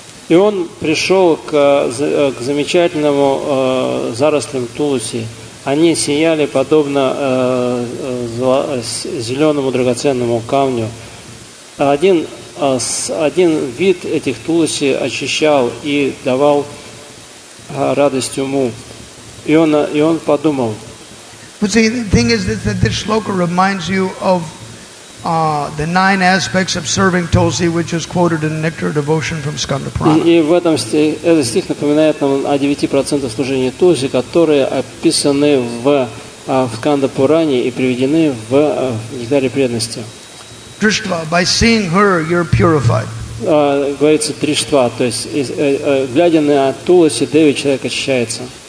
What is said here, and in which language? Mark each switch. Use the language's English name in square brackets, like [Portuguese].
[Russian] Он пришел к замечательному зарослям тулоси. Они сияли подобно зеленому драгоценному камню. Один вид этих тулоси очищал и давал радость уму. И он подумал. [English] But see, the thing is that this shloka reminds you of the nine aspects of serving tulsi, which is quoted in Nectar Devotion from Skanda Purana. [Russian] И в этом этот стих напоминает нам о 9% служения тулси, которые описаны в Сканда Пуране и приведены в Нектаре преданности. [English] Дриштва, by seeing her, you're purified. [Russian] Говорится Дриштва, то есть глядя на тулоси, деви человек очищается.